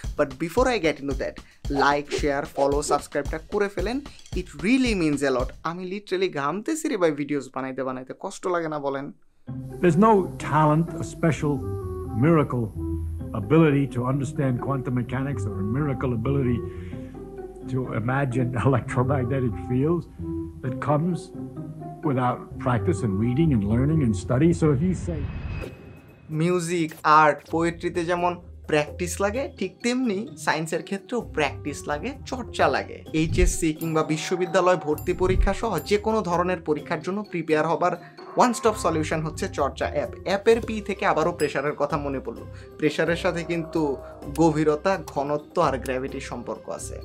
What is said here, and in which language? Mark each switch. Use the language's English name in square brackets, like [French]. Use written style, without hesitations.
[English] but before I get into that, [Bangla] like share follow সাবস্ক্রাইবটা করে ফেলেন, [English] It really means a lot. [Bangla] আমি literally ঘামতেছি রে ভাই ভিডিওস বানাইতে বানাইতে, কষ্ট লাগে না বলেন? [English] There's no talent or special miracle ability to understand quantum mechanics or miracle ability to imagine electromagnetic fields that comes without practice and reading and learning and study. So if you say music, art, poetry [Bangla] te jemon practice লাগে, ঠিক তেমনি সায়েন্সের ক্ষেত্রেও practice লাগে, চর্চা লাগে। HSC কিংবা বিশ্ববিদ্যালয় ভর্তি পরীক্ষা সহ যে কোনো ধরনের পরীক্ষার জন্য প্রিপেয়ার হবার ওয়ান স্টপ সলিউশন হচ্ছে চর্চা অ্যাপ। অ্যাপের পি থেকে আবারও প্রেশারের কথা মনে পড়লো। প্রেশারের সাথে কিন্তু গভীরতা, ঘনত্ব আর গ্র্যাভিটির সম্পর্ক আছে।